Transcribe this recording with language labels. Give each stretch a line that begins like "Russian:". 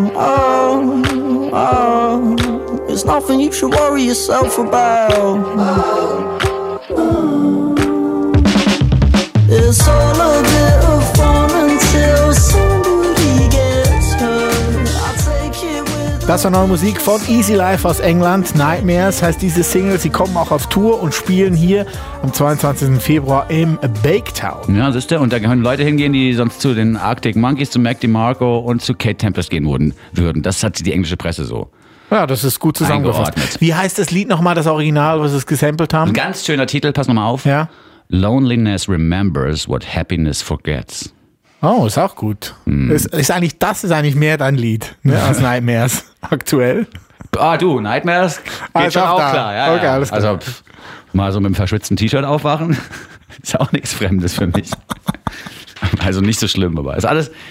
English: Oh, oh. It's nothing you should worry yourself about. Oh, it's all a bit of fun until somebody gets hurt. I'll take it with.
German: Das war neue Musik von Easy Life aus England. Nightmares heißt diese Single. Sie kommen auch auf Tour und spielen hier am 22. Februar im Baketown. Ja, siehst du, und da können Leute hingehen, die sonst zu den Arctic Monkeys, zu Mac DeMarco und zu Kate Tempest gehen würden. Das hat die englische Presse so. Ja, das ist gut zusammengefasst. Eingeordnet. Wie heißt das Lied nochmal, das Original, was sie gesampelt haben? Ein ganz schöner Titel, pass nochmal auf. Ja.
English: Loneliness remembers what happiness forgets.
German: Oh, ist auch gut. Mm. Das ist eigentlich mehr dein Lied, ne, ja, als Nightmares aktuell. Ah, du, Nightmares geht also schon auch da. Klar. Ja, okay, ja. Alles klar. Also mal so mit einem verschwitzten T-Shirt aufwachen, ist auch nichts Fremdes für mich. Also nicht so schlimm, aber ist alles.